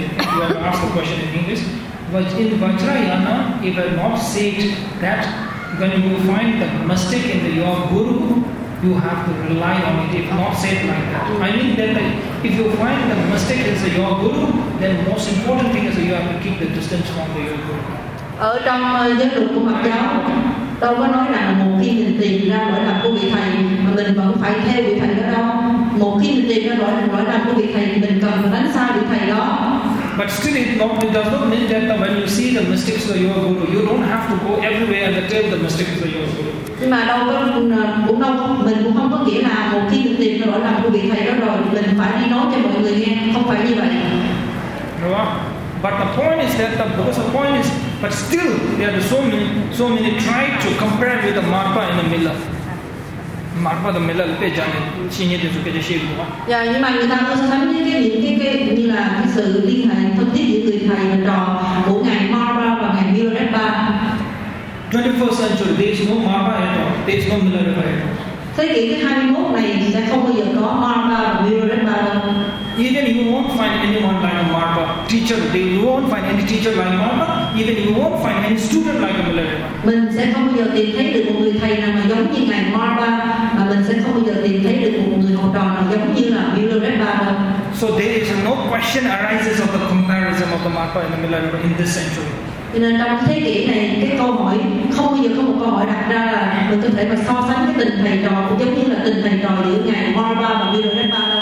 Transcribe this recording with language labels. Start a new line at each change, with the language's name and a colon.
English: You have asked the question in English. But in the Vajrayana, it does not say that. When you find the mistake in your guru, you have to rely on it. If not, say it like that. I mean that if you find the mistake in your guru, then the most important thing is that you have to keep the distance from the your guru.
Vietnamese: Ở trong giới luật của Phật giáo, đâu có nói rằng một khi mình tìm ra lỗi lầm của vị thầy, mà mình vẫn phải theo vị thầy đó đâu. một khi mình tìm ra lỗi lỗi lầm của vị thầy thì mình cần phải đánh sai vị thầy đó.
English: But still, it does not mean that when you see the mistakes of your guru, you don't have to go everywhere and tell the mistakes of your guru.
Vietnamese: Nhưng mà đâu có cũng đâu mình cũng không có nghĩa là một khi mình tìm ra lỗi lầm của vị thầy đó rồi mình phải đi nói cho mọi người nghe, không phải như vậy. Đúng không?
English: But the point is that but still there are so many try to compare with the Marpa and the Mila.
Vietnamese: Marpa the Mila lúc ấy chẳng nhìn nhìn thấy được cái gì đúng không? Dạ, nhưng mà người ta có thấm những cái như là cái sự liên hệ thân thiết giữa người thầy và trò của ngài Marpa và ngài Mila Red Ba.
English: 21st century, there is no Marpa at all. There is no Mila Red Ba at all.
Vietnamese: Thế kỷ thứ 21 này sẽ không bao giờ có Marpa và Mila Red Ba đâu.
English: Even you won't find anyone like a Marpa teacher. You won't find any teacher like Marpa. Even you won't find any student like a Mila.
Vietnamese: Mình sẽ không bao giờ tìm thấy được một người thầy nào mà giống như ngài Marpa, mà mình sẽ không bao giờ tìm thấy được một người học trò nào giống như là Mila Redpa.
English: So there is no question arises of the comparison of the Marpa and the Mila in this century.
Vietnamese: Cho nên trong thế kỷ này, cái câu hỏi không bao giờ có một câu hỏi đặt ra là mình có thể mà so sánh cái tình thầy trò cũng giống như là tình thầy trò giữa ngài Marpa và Mila Redpa.